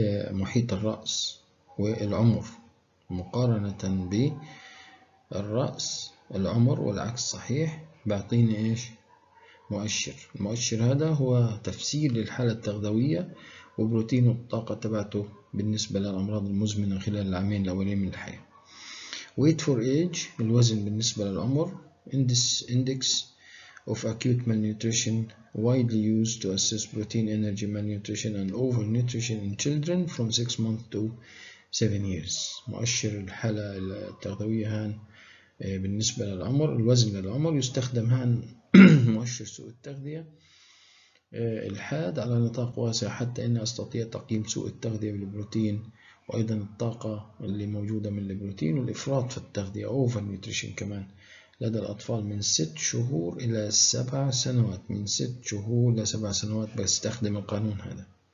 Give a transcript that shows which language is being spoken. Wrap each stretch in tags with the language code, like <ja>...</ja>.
<ar>محيط الرأس والعمر مقارنة بالرأس العمر والعكس صحيح، بيعطيني إيش مؤشر. المؤشر هذا هو تفسير للحالة التغذوية وبروتين الطاقة تبعته بالنسبة للأمراض المزمنة خلال العامين الأولين من الحياة.</ar> <en>Weight for age</en> <ar>الوزن بالنسبة للعمر.</ar> <en>Index of acute malnutrition widely used to assess protein, energy, malnutrition and overnutrition in children from 6 months to 7 years.</en> <ar>مؤشر الحالة التغذوية هان بالنسبة للعمر الوزن للعمر يستخدم هان مؤشر سوء التغذية الحاد على نطاق واسع حتى اني استطيع تقييم سوء التغذية بالبروتين وايضا الطاقة اللي موجودة من البروتين والافراط في التغذية اوفر نيوتريشن كمان لدى الاطفال من 6 شهور الى 7 سنوات، من 6 شهور الى 7 سنوات بستخدم القانون هذا.</ar>